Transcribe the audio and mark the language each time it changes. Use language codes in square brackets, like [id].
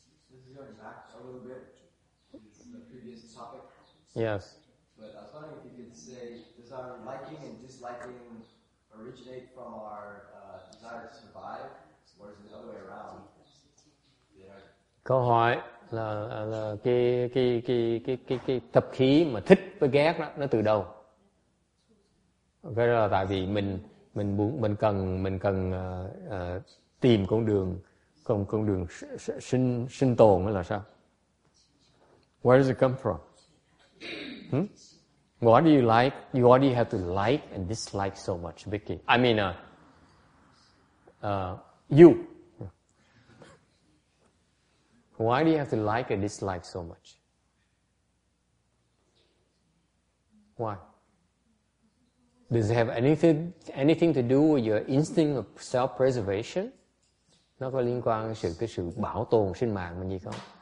[en] This is going back a little bit to the previous topic. Yes. But I was wondering if you could say, does our liking and disliking originate from our desire to survive, or is it the other way around? [vi] Câu hỏi là cái tập khí mà thích với ghét đó, nó từ đâu? Cái đó là tại vì mình cần tìm con đường sinh tồn hay là sao? [en] Where does it come from? What do you like? You already have to like and dislike so much, Vicky. I mean, you. Why do you have to like and dislike so much? Why? Does it have anything to do with your instinct of self-preservation? [vi] Nó có liên quan đến sự bảo tồn sinh mạng mình gì không?